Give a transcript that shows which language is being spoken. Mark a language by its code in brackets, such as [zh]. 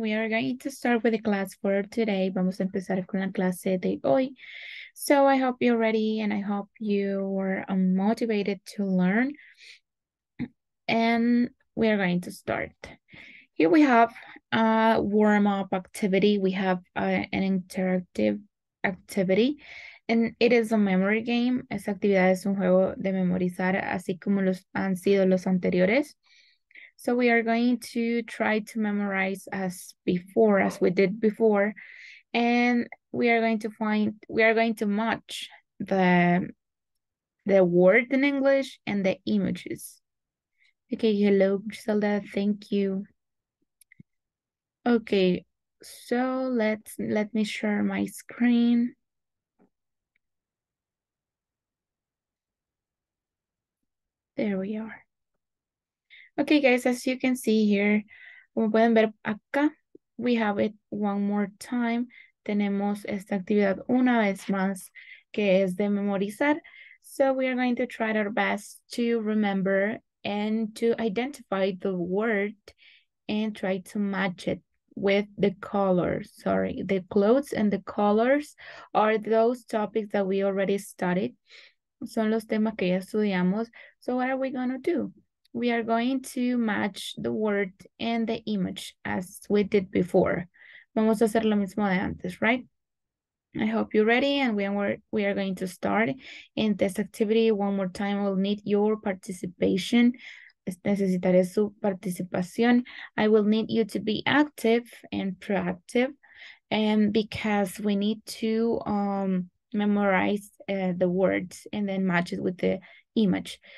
[en] We are going to start with the class for today. [es] Vamos a empezar con la clase de hoy. [en] So I hope you're ready and I hope you are motivated to learn. And we are going to start. Here we have a warm-up activity. We have an interactive activity. And it is a memory game. [es] Esta actividad es un juego de memorizar, así como los han sido los anteriores. [en] So we are going to try to memorize as we did before, and we are going to match the word in English and the images. Okay, hello, Griselda, thank you. Okay, so let me share my screen. There we are. Okay, guys, as you can see here, [es] como pueden ver acá, [en] we have it one more time. [es] Tenemos esta actividad una vez más, que es de memorizar. [en] So we are going to try our best to remember and to identify the word and try to match it with the colors. Sorry, the clothes and the colors are those topics that we already studied. [es] Son los temas que ya estudiamos. [en] So what are we going to do? We are going to match the word and the image as we did before. [es] Vamos a hacer lo mismo de antes, right? [en] I hope you're ready and we are going to start in this activity. One more time, we'll need your participation. [es] Necesitaré su participación. [en] I will need you to be active and proactive, and because we need to memorize the words and then match it with the image.